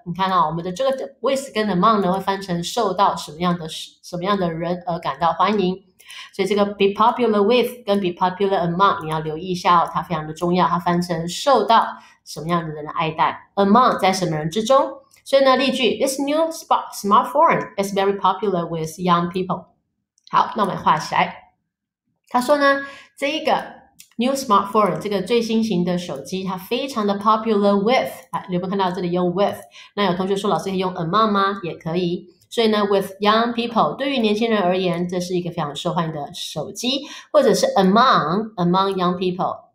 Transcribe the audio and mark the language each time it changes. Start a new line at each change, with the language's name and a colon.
Chinese: 你看到我们的这个 with 跟 among 呢，会翻成受到什么样的人而感到欢迎。所以这个 be popular with 跟 be popular among 你要留意一下哦，它非常的重要，它翻成受到什么样的人的爱戴， among 在什么人之中。所以呢，例句
English: this new smartphone is very popular with young people。
Chinese: 好，那我们画起来，他说呢，这一个
English: new smartphone
Chinese: 这个最新型的手机，它非常的
English: popular with，
Chinese: 有没有看到这里用 with？ 那有同学说，老师可以用 among 吗？也可以。所以呢
English: with young people
Chinese: 对于年轻人而言，这是一个非常受欢迎的手机，或者是
English: among young people。